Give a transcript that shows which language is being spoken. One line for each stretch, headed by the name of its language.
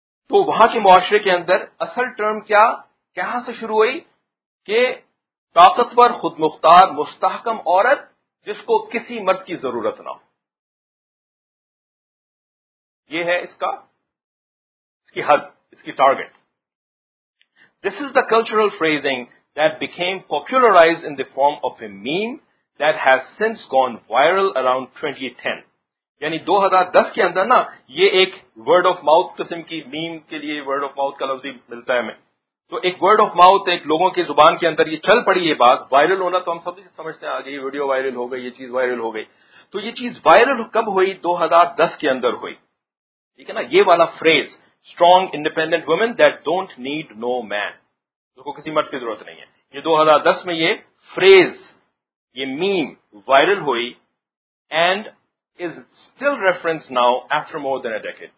Urdu: تو وہاں کے معاشرے کے اندر اصل ٹرم کیا, کہاں سے شروع ہوئی, کہ طاقتور, خود مختار, مستحکم عورت جس کو کسی مرد کی ضرورت نہ ہو, یہ ہے اس کی حد, اس کی target.
English: This is the cultural phrasing that became popularize in the form of a meme that has since gone viral around 2010.
Urdu: یعنی 2010 کے اندر نا یہ ایک ورڈ آف ماؤتھ قسم کی, میم کے لیے ورڈ آف ماؤتھ کا لفظ ہی ملتا ہے ہمیں, تو ایک ورڈ آف ماؤتھ, ایک لوگوں کی زبان کے اندر یہ چل پڑی, یہ بات وائرل ہونا تو ہم سب سے سمجھتے ہیں, آگے یہ ویڈیو وائرل ہو گئی, یہ چیز وائرل ہو گئی. تو یہ چیز وائرل کب ہوئی, 2010 کے اندر ہوئی, ٹھیک ہے نا, یہ والا freeze,
English: strong independent woman that don't need no man,
Urdu: جس کو کسی مرد کی ضرورت نہیں ہے, یہ 2010 میں یہ فریز, یہ میم وائرل ہوئی,
English: And is still referenced now after more than a decade.